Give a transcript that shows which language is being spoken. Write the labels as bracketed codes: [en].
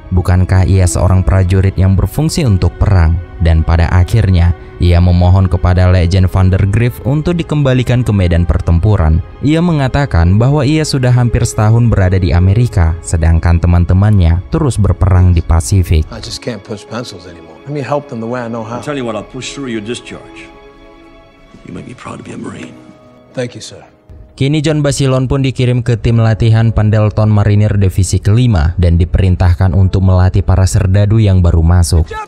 [id] Bukankah ia seorang prajurit yang berfungsi untuk perang? Dan pada akhirnya, ia memohon kepada Legend Van der Griff untuk dikembalikan ke medan pertempuran. Ia mengatakan bahwa ia sudah hampir setahun berada di Amerika, sedangkan teman-temannya terus berperang di Pasifik. [en] I just can't push pencils anymore. Let me help them the way I know how. I'll tell you what, I'll push through your discharge. You make me proud to be a Marine. Thank you, sir. [id] Kini John Basilone pun dikirim ke tim latihan Pendleton Marinir Divisi ke-5 dan diperintahkan untuk melatih para serdadu yang baru masuk.